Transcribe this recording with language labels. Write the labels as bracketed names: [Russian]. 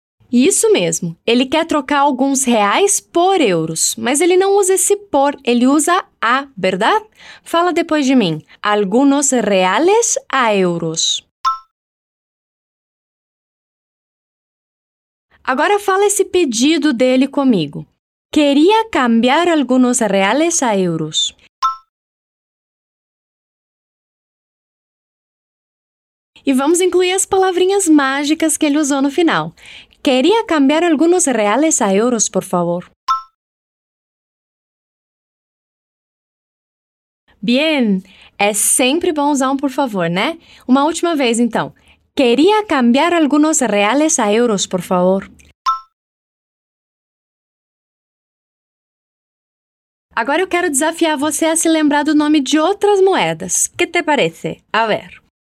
[Portuguese] Isso mesmo, ele quer trocar alguns reais por euros, mas ele não usa esse por, ele usa a, verdade? Fala depois de mim, [Spanish] algunos reales a euros. [Portuguese] Agora fala esse pedido dele comigo. [Spanish] Queria cambiar algunos reales a euros. [Portuguese] E vamos incluir as palavrinhas mágicas que ele usou no final. [Spanish] Quería cambiar algunos reales a euros, por favor. [Portuguese] Bien, é sempre bom usar um por favor, né? Uma última vez, então. [Spanish] Queria cambiar alguns reais a euros, por favor. [Portuguese] Agora eu quero desafiar você a se lembrar do nome de outras moedas. [Spanish] Que te parece? A ver.